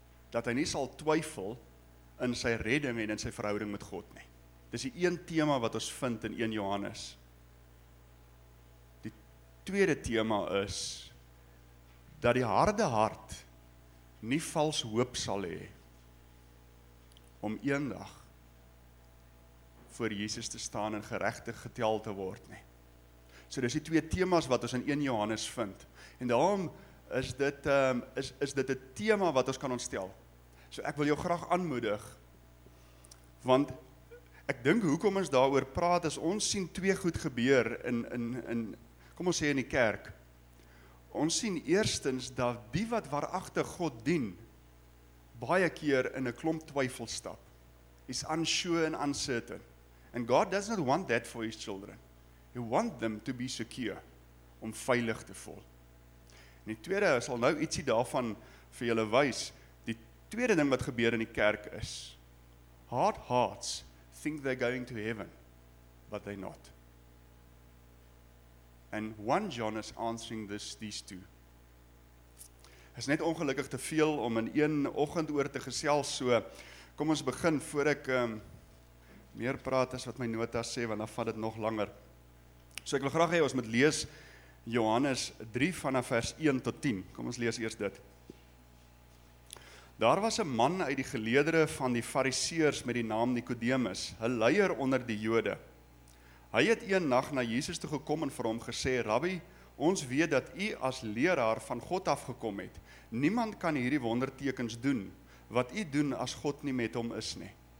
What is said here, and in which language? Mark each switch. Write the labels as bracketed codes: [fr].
[af] Dat hy nie sal twyfel in sy redding en in sy verhouding met God nie. Dis die een tema wat ons vind in 1 Johannes. Tweede tema is dat die harde hart nie vals hoop sal hê om eendag voor Jesus te staan en geregtig getel te word nie. So dis die twee temas wat ons in 1 Johannes vind. En daarom is dit 'n tema wat ons kan ontstel. So ek wil jou graag aanmoedig, want ek dink hoekom ons daaroor praat is ons sien twee goed gebeur in kom ons sê in die kerk, ons sien eerstens dat die wat waaragtig God dien, baie keer in 'n klomp twyfel stap. [en] He's unsure and uncertain. And God does not want that for his children. He want them to be secure, [af] om veilig te voel. En die tweede, ek sal nou ietsie daarvan vir julle wys, die tweede ding wat gebeur in die kerk is, [en] hard hearts think they're going to heaven, but they're not. And 1 John is answering these two. [af] Is net ongelukkig te veel om in een oggend oor te gesels, so kom ons begin voor ek meer praat as wat my notas sê, want dan vat dit nog langer. So ek wil graag hê ons moet lees Johannes 3 vanaf vers 1 tot 10. Kom ons lees eers dit. Daar was 'n man uit die geleedere van die Fariseërs met die naam Nikodemus, 'n leier onder die Jode. Hy het een nag na Jesus toe gekom en vir hom gesê, Rabbi, ons weet dat u as leraar van God afgekom het. Niemand kan hierdie wondertekens doen, wat u doen as God nie met hom is nie.